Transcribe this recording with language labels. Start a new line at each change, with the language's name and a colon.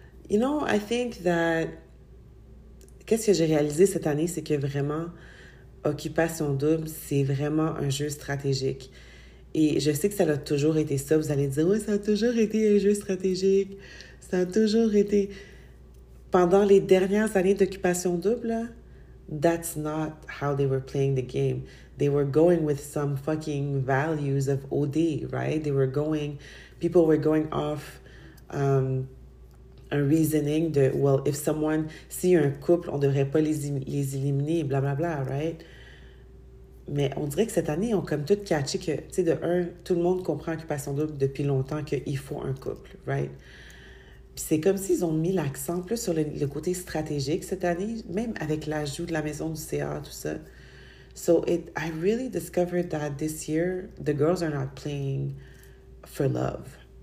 English: I think that.
French: Qu'est-ce que j'ai réalisé cette année, c'est que vraiment, occupation double, c'est vraiment un jeu stratégique. Et je sais que ça a toujours été ça. Vous allez dire, ouais, ça a toujours été un jeu stratégique. Ça a toujours été. Pendant les dernières années d'occupation double,
English: that's not how they were playing the game. They were going with some fucking values of OD, right? They were going, people were going off
French: un reasoning de,
English: well, if someone,
French: s'il y a un couple, on ne devrait pas les éliminer, blablabla,
English: right?
French: Mais on dirait que cette année, on a comme tout catché que, tu sais, de un, tout le monde comprend occupation double depuis longtemps qu'il faut un couple,
English: right?
French: C'est comme s'ils ont mis l'accent plus sur le côté stratégique cette année, même avec l'ajout de la maison du CA, tout ça.
English: So it, I really discovered that this year, the girls are not playing for love.